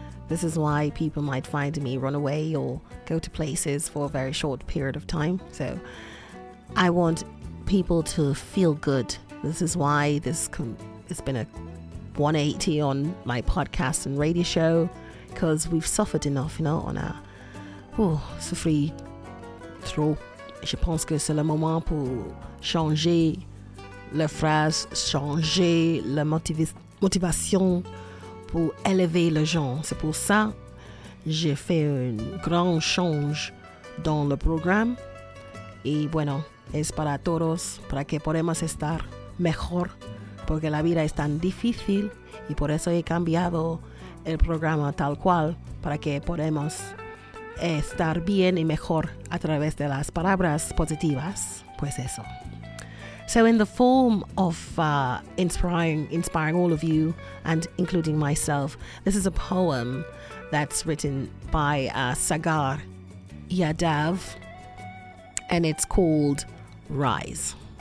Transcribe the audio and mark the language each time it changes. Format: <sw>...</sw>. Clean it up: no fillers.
<en>This is why people might find me run away or go to places for a very short period of time. So I want people to feel good. This is why this it's been a 180 on my podcast and radio show, because we've suffered enough, you know,</en> <fr>on a souffrir trop. Je pense que c'est le moment pour changer la phrase, changer la motivation. Pour élever les gens. C'est pour ça que j'ai fait un grand change dans le programme.</fr> <es>Et bueno, es para todos, para que podamos estar mejor, porque la vida es tan difícil y por eso he cambiado el programa tal cual, para que podamos estar bien y mejor a través de las palabras positivas, pues eso.</es> <en>So in the form of inspiring all of you and including myself, this is a poem that's written by Sagar Yadav, and it's called Rise.</en>